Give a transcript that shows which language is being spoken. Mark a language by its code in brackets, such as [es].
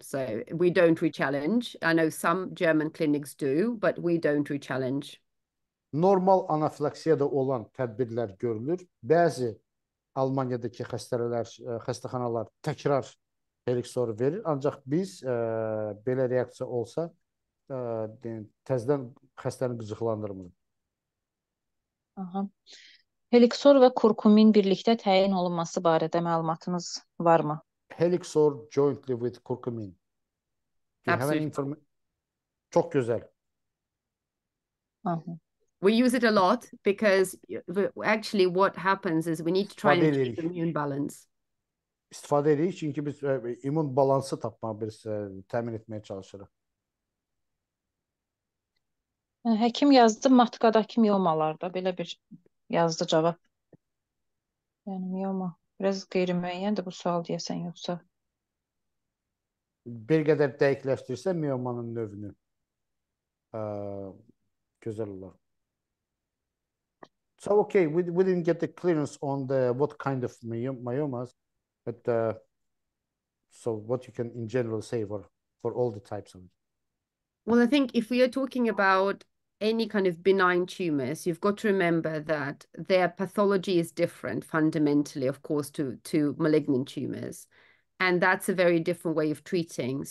[en] So we don't rechallenge. I know some German clinics do, but we don't rechallenge. [az] Normal anafilaksiyada olan tədbirlər görülür. Bəzi Almaniyadakı xəstəxanalar təkrar Helixor verir, ancaq biz belə reaksiya olsa, təzədən xəstəni qıcıqlandırmırıq. Aha. Helixor və kurkumin birlikdə təyin olunması barədə məlumatınız varmı? [en] Helixor jointly with curcumin. Do you have any information? [az] Çox gözəl. Aha. [en] We use it a lot because actually what happens is we need to try and keep the immune balance. [az] İstifadə edirik çünki biz immun balansı tapmağa, bir təmin etməyə çalışırıq. Həkim yazdı matkadakı miyomalarda belə bir yazdı cavab. Yəni mioma biraz qeyri-müəyyəndir bu sual deyəsən yoxsa? Bir qədər dəqiqləşdirsə miomanın növünü. Gözəl olar. [en] So okay, we didn't get the clearance on the what kind of myomas, but so what you can in general say for all the types of it. Well, I think if we are talking about any kind of benign tumors, you've got to remember that their pathology is different fundamentally, of course, to malignant tumors, and that's a very different way of treating.